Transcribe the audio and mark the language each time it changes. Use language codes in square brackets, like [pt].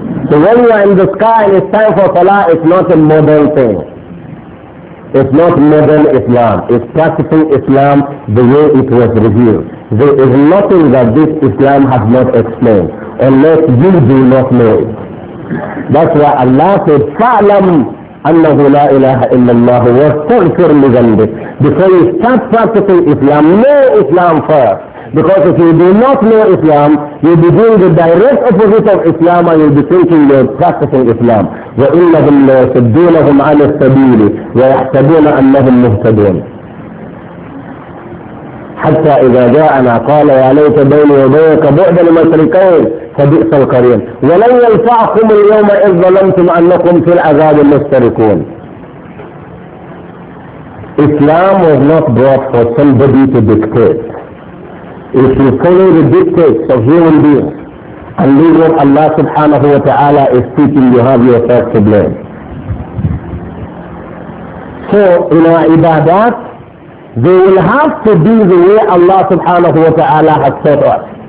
[en] So when you are in the sky and it's time for Salah, it's not a modern thing. It's not modern Islam. It's practical Islam the way it was revealed. There is nothing that this Islam has not explained, unless you do not know it. That's why Allah said, [ar] فَعْلَمْ أَنَّهُ لَا إِلَهَ إِلَّا اللَّهُ وَاسْتَغْفِرْ لِذَنْبِكَ. [en] Before you start practicing Islam, know Islam first. Because if you do not know Islam, you'll be doing the direct opposite of Islam, and you'll be thinking you're practicing Islam. [ar] وَإِنَّهُمْ لَيَسُدُّونَهُمْ عَلَى السَّبِيلِ وَيَحْسَبُونَ أَنَّهُمْ مُهْتَدُونَ. حتى إذا جاءنا قال يا ليت بيني وبينك بعد المشركين فبئس القرين. ولن ينفعكم اليوم إذ ظلمتم أنكم في العذاب المشتركون. [en] Islam was not brought for somebody to dictate. If you follow the dictates of human beings and leave what Allah سبحانه وتعالى is teaching, you have yourself to blame. So in our ibadat, they will have to be the way Allah subhanahu wa ta'ala has taught us.